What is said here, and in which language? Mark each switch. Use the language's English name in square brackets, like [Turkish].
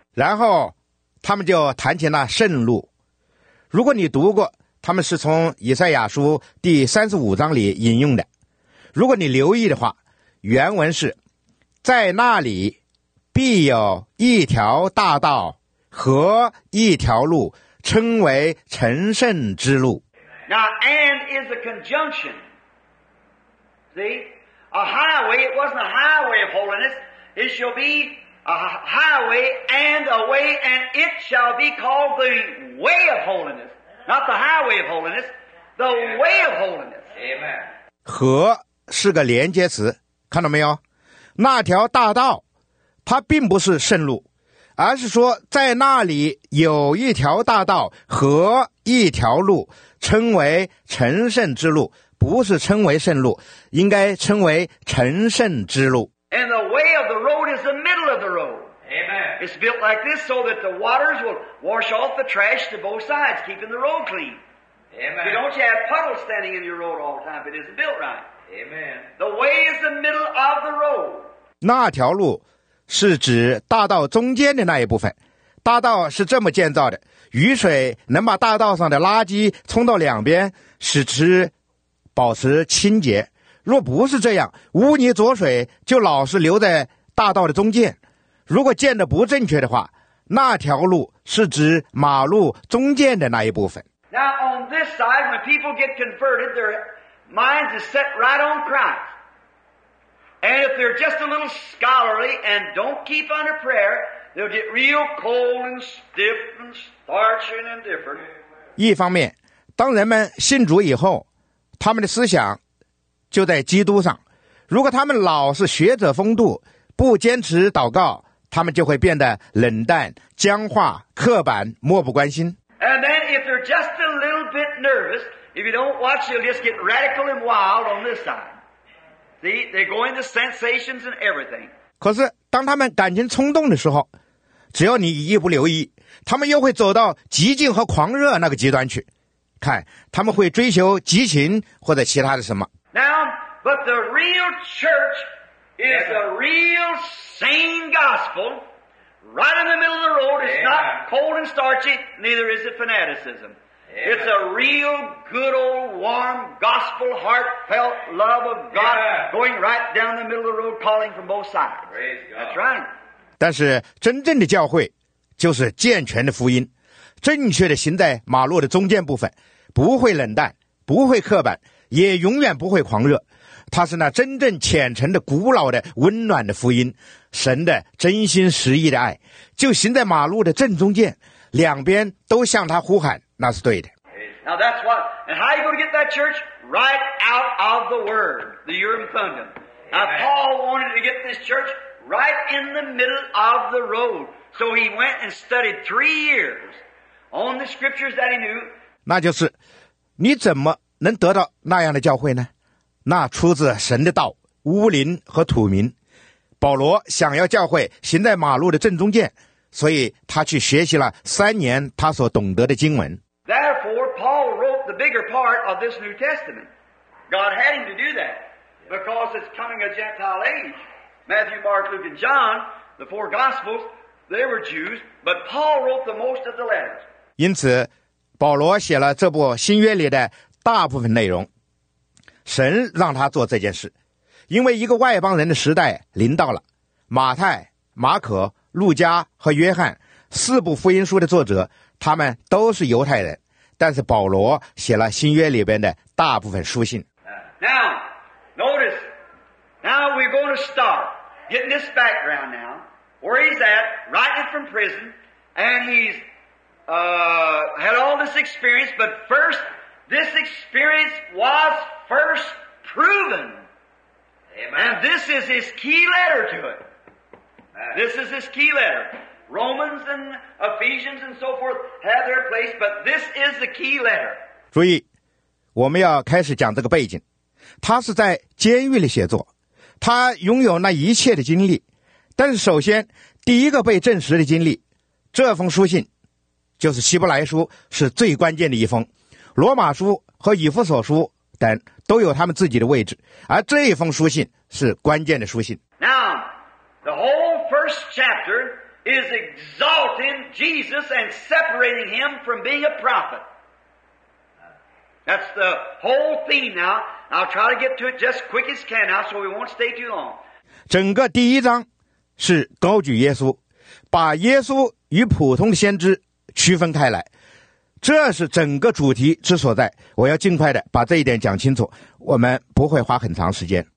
[Chinese] 然后他们就谈起那圣路。如果你读过，他们是从以赛亚书第35章里引用的。如果你留意的话，原文是在那里必有一条大道和一条路，称为成圣之路。 [English] Now, and is a conjunction. See? A highway, it wasn't a highway of holiness. It shall be a highway and a way, and it shall be called the way of holiness. Not the highway of holiness, the way of holiness. Amen. [Chinese] 和是个连接词，看到没有？那条大道它并不是圣路，而是说在那里有一条大道和一条路，称为成圣之路，不是称为圣路，应该称为成圣之路。 [English] And the way of the road is the middle of the road. Amen. It's built like this so that the waters will wash off the trash to both sides, keeping the road clean. Amen. You don't have puddles standing in your road all the time, but it's built right. Amen. The way is the middle of the road. [Chinese] 那条路是指大道中间的那一部分，大道是这么建造的，雨水能把大道上的垃圾冲到两边，使之保持清洁。若不是这样，污泥浊水就老是留在大道的中间。如果建得不正确的话，那条路是指马路中间的那一部分。 [English] Now on this side, when people get converted, their minds are set right on Christ. And if they're just a little scholarly and don't keep under prayer, they'll get real cold and stiff and starchy and indifferent. [Chinese] 一方面，当人们信主以后，他们的思想就在基督上。如果他们老是学者风度，不坚持祷告，他们就会变得冷淡、僵化、刻板、漠不关心。 [English] And then if they're just a little bit nervous, if you don't watch, they'll just get radical and wild on this side. They go into sensations and everything. [Chinese] 可是当他们感情冲动的时候，只要你一不留意，他们又会走到激进和狂热那个极端去。看，他们会追求激情或者其他的什么。 [English] Now, but the real church is a real sane gospel. Right in the middle of the road, it's not cold and starchy, neither is it fanaticism. Yeah. It's a real good old warm gospel heartfelt love of God、 yeah. going right down the middle of the road calling from both sides. Praise God. That's right. [Chinese] 但是真正的教会就是健全的福音，正确的行在马路的中间部分，不会冷淡，不会刻板，也永远不会狂热。它是那真正虔诚的古老的温暖的福音，神的真心实意的爱，就行在马路的正中间，两边都向他呼喊，那是对的。 [English] Now that's what, and how are you going to get that church? Right out of the word, the Urim Thummim. Now Paul wanted to get this church right in the middle of the road. So he went and studied 3 years on the scriptures that he knew. [Chinese] 那就是你怎么能得到那样的教会呢？那出自神的道，乌林和土民。保罗想要教会行在马路的正中间，所以他去学习了3年他所懂得的经文。 [English] Therefore, Paul wrote the bigger part of this New Testament. God had him to do that because it's coming a Gentile age. Matthew, Mark, Luke, and John, the four Gospels, they were Jews, but Paul wrote the most of the letters. [Chinese] 因此，保罗写了这部新约里的大部分内容。神让他做这件事，因为一个外邦人的时代临到了。马太、马可、路加和约翰四部福音书的作者，他们都是犹太人，但是保罗写了新约里边的大部分书信。 [English] Now, notice, now we're going to start getting this background now. Where he's at, writing from prison, and he's had all this experience, but first, this experience was first proven. Amen. And this is his key letter to it. This is his key letter. Romans and Ephesians and so forth have their place, but this is the key letter. [Chinese] 注意，我们要开始讲这个背景。他是在监狱里写作，他拥有那一切的经历，但是首先第一个被证实的经历，这封书信就是希伯来书，是最关键的一封。罗马书和以弗所书等都有他们自己的位置，而这一封书信是关键的书信。 [English] Now the whole first chapter is exalting Jesus and separating him from being a prophet. That's the whole theme now. I'll try to get to it just quick as can now, so we won't stay too long. [Chinese] 整个第一章是高举耶稣，把耶稣与普通的先知区分开来，这是整个主题之所在。我要尽快的把这一点讲清楚，我们不会花很长时间。